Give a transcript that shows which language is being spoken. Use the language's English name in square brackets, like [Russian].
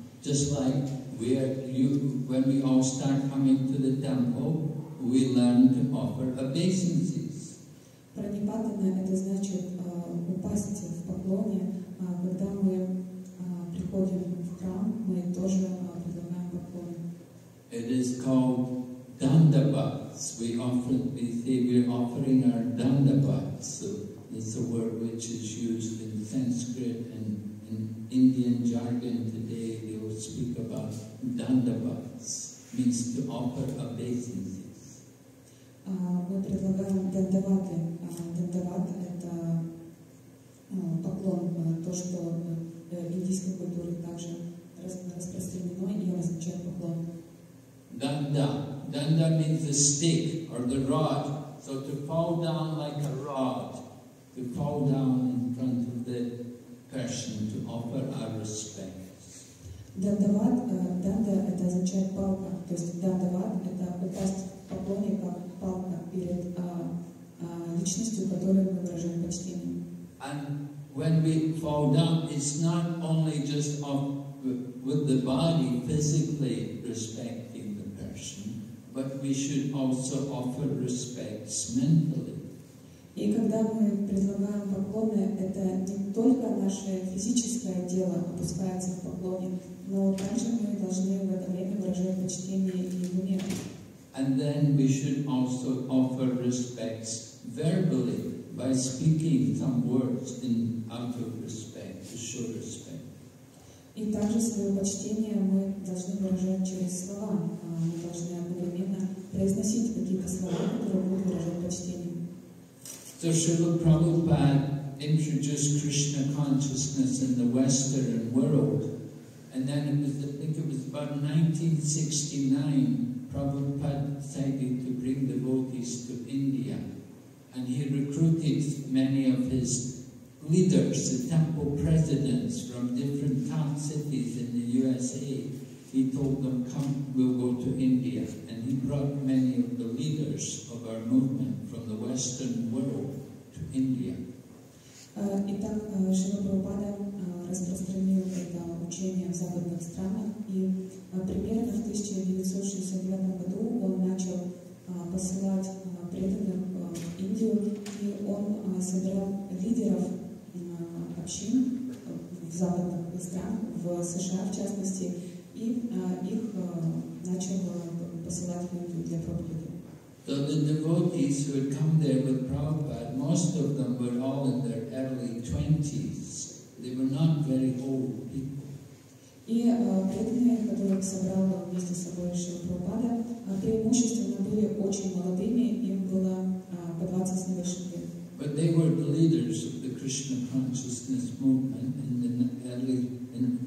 [English] Just like we are, when we all start coming to the temple, we learn to offer obeisances. [Russian] Пранипатена это значит упасть в поклоне, когда мы приходим в храм, мы тоже предлагаем поклон. [English] It is called dandavats. We often say we are offering our dandavats. So it's a word which is used in Sanskrit and in Indian jargon today. They will speak about dandavats, means to offer obeisances. [Russian] Мы предлагаем дандаваты. Дандават это поклон, то, что в индийской культуре также распространено и означает поклон. [English] Данда. Данда means the stick or the rod. So to fall down like a rod, to fall down in front of the person, to offer our respect. [Russian] Дандават, данда это означает палка. То есть дандават это упасть в поклоне как палка перед личностью, которой мы выражаем почтение. [English] When we fall down, it's not only just of, with the body physically respecting the person, but we should also offer respects mentally. [Russian] И когда мы предлагаем поклоны, это не только наше физическое тело опускается в поклоне, но также мы должны в это время выражать почтение и уме. [English] And then we should also offer respects verbally. By speaking some words in out of respect, to show respect. [Russian] И также свое почтение мы должны выражать через слова. Мы должны одновременно произносить какие-то слова, которые будут выражать почтение. [English] So Srila Prabhupada introduced Krishna consciousness in the Western world, and then it was, I think it was about 1969, Prabhupada decided to bring devotees to India. And he recruited many of his leaders, the temple presidents from different town cities in the USA. He told them, come, we'll go to India. And he brought many of the leaders of our movement from the Western world to India. [Russian] Итак, Шрила Прабхупада распространил это учение в западных странах. И примерно в 1969 году он начал посылать преданных Индию, и он собирал лидеров общин в западных странах, в США в частности, и их начал посылать в Индию для проповеди. [English] So the devotees who had come there with Prabhupada, most of them were all in their early 20s. They were not very old people. [Russian] И преданные, которых собрал вместе с собой Шрила Прабхупада, преимущественно были очень молодыми, им было по 20 с небольшим лет. [English] But they were the leaders of the Krishna consciousness movement in the early in